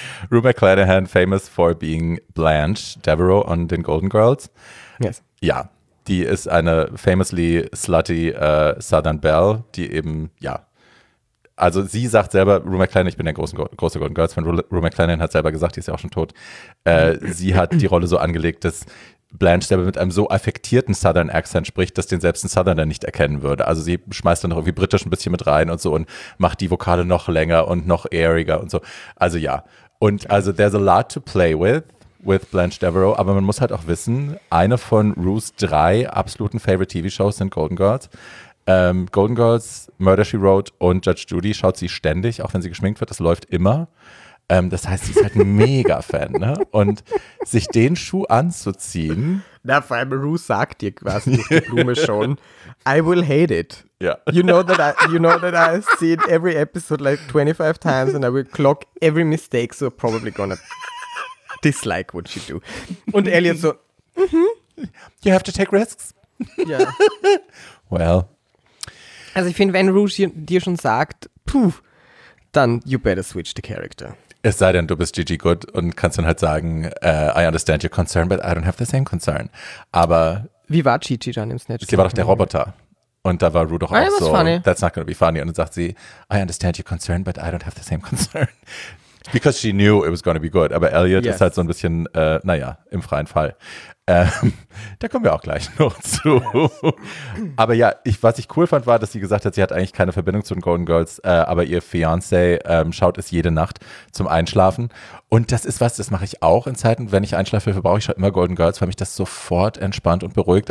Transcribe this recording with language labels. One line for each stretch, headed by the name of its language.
English: Rue McClanahan, famous for being Blanche Devereaux on
German: den
English: Golden Girls. Yes.
German: Ja, die ist eine
English: famously slutty Southern Belle,
German: die eben, ja. Also sie sagt selber, Rue McClanahan, ich bin der große Golden Girls-Fan, Rue McClanahan hat selber gesagt, die ist ja auch schon tot. sie hat die Rolle so angelegt, dass Blanche selber mit einem so affektierten Southern Accent spricht, dass den selbst ein Southerner nicht erkennen würde. Also sie schmeißt dann noch irgendwie britisch ein bisschen mit rein und so und macht die Vokale noch länger und noch airiger und so. Also ja. Und also
English: there's a lot to play with Blanche Devereaux,
German: aber man muss halt auch wissen, eine von Rue's drei absoluten Favorite-TV-Shows sind Golden Girls. Golden Girls, Murder, She Wrote und Judge Judy schaut sie ständig, auch wenn sie geschminkt wird, das läuft immer. Das heißt, sie ist halt ein Mega-Fan, ne? Und sich den Schuh anzuziehen. Na, vor allem Rue sagt dir quasi durch die Blume schon,
English: I will hate it.
German: Ja.
English: You know that I see it every episode like 25 times and I will clock every mistake, so probably gonna dislike what she do.
German: Und Elliot so,
English: You have to take risks.
German: Ja.
English: Well.
German: Also ich finde, wenn Rue dir schon sagt, puh, dann
English: you better switch the character.
German: Es sei denn, du bist Gigi Good und kannst dann halt sagen,
English: I understand your concern, but I don't have the same concern.
German: Aber wie war Gigi dann im Snatch? Sie war doch der Roboter. Und da war Rue doch auch so, funny.
English: That's not gonna be funny.
German: Und dann sagt sie,
English: I understand your concern, but I don't have the same concern. Because she knew it was gonna be good.
German: Aber Elliot ist halt so ein bisschen, im freien Fall. Da kommen wir auch gleich noch zu. Aber ja, was ich cool fand, war, dass sie gesagt hat, sie hat eigentlich keine Verbindung zu den Golden Girls, aber ihr Fiancé schaut es jede Nacht zum Einschlafen. Und das ist was, das mache ich auch in Zeiten, wenn ich einschlafe, verbrauche ich schon immer Golden Girls, weil mich das sofort entspannt und beruhigt.